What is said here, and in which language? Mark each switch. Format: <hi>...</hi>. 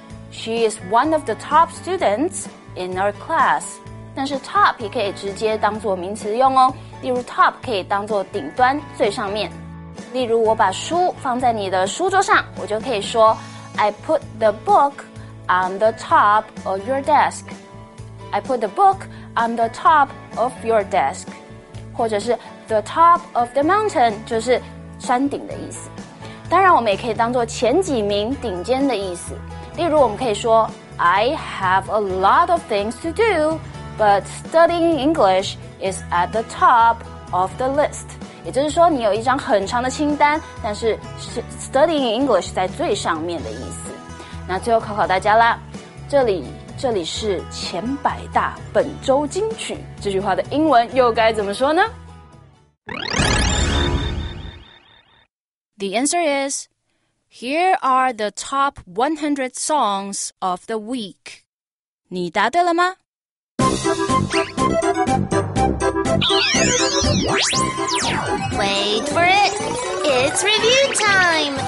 <en>She is one of the top students in our class.</en> <zh>但是 top 也可以直接当作名词用哦。例如 top 可以当作顶端、最上面。例如我把书放在你的书桌上，我就可以说</zh> <en>I put the book on the top of your desk. I put the book on the top of your desk.</en> <zh>或者是</zh> <en>the top of the mountain</en> <zh>就是山顶的意思。当然我们也可以当作前几名顶尖的意思。例如我们可以说</zh> <en>I have a lot of things to do, but studying English is at the top of the list.</en> <zh>也就是说你有一张很长的清单，但是</zh> <en>studying English</en> <zh>在最上面的意思。那最后考考大家啦，这里是前百大本周金曲，这句话的英文又该怎么说呢？</zh> <en>The answer is Here are the top 100 songs of the week.</en> <zh>你答对了吗？</zh> <en>Wait for it! It's review time!</en>